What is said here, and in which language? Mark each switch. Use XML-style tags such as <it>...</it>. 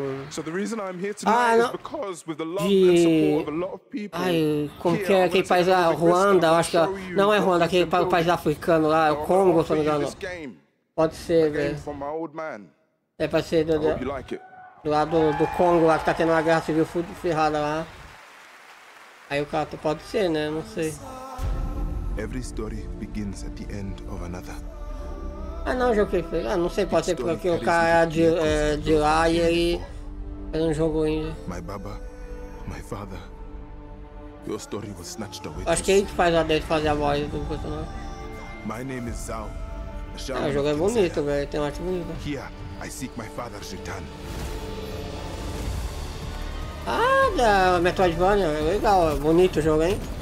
<en>So the reason I'm here tonight is because with the love and support of a lot of people.</en> <pt>Ai, como que é aquele país lá, Ruanda, eu acho que é, não é Ruanda, aquele país africano lá, o Congo, se não me engano. Pode ser, velho. É, pode ser do lado do Congo lá, que tá tendo uma guerra civil ferrada lá. Aí o cara pode ser, né? Não sei.</pt> <en>Every story begins at the end of another.</en> <pt>Ah não, o jogo que ele fez. Ah, não sei, pode ser porque o cara é de lá e ele fez um jogo ainda.</pt> <en>My baba, my father, your story was snatched away.</en> <pt>Acho que ele faz a dele fazer a voz do personagem.</pt> <en>My name is Zhao.</en> <pt>Ah, o jogo é bonito, velho. Tem uma arte bonita.</pt> <en>Here, I seek my father's return.</en> <pt>Ah, da Metroidvania, legal, bonito o jogo, hein?</pt>